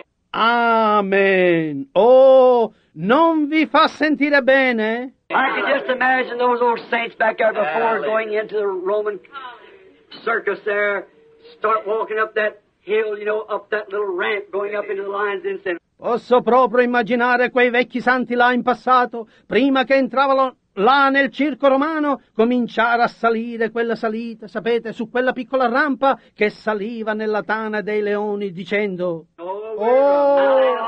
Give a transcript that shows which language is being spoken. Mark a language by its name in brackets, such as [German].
[Italian] Amen. Oh, non vi fa sentire bene? [English] I can just imagine those old saints back there before going into the Roman circus there. Start walking up that hill, you know, up that little ramp going up into the lion's den. [Italian] Posso proprio immaginare quei vecchi santi là in passato, prima che entravano là nel circo romano, cominciare a salire quella salita, sapete, su quella piccola rampa che saliva nella tana dei leoni, dicendo: oh,